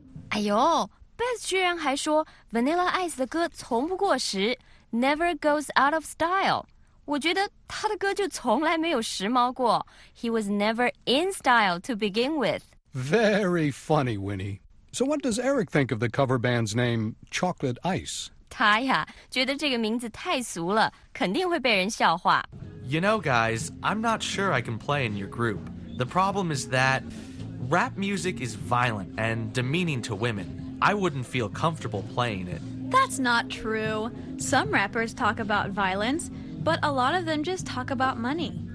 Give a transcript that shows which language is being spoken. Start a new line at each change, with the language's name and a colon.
Chinese: 哎呦, Beth 居然还说 Vanilla Ice的歌从不过时,
English: never goes out of style.
Chinese: 我觉得他的歌就从来没有时髦过,
English: he was never in style to begin with. Very funny, Winnie. So what does Eric think of the cover band's name, Chocolate Ice?
Chinese: 他呀，觉得这个名字太俗了，肯定会被人笑话。
English: You know, guys, I'm not sure I can play in your group. The problem is that rap music is violent and demeaning to women. I wouldn't feel comfortable playing it. That's not true. Some rappers talk about violence, but a lot of them just talk about money.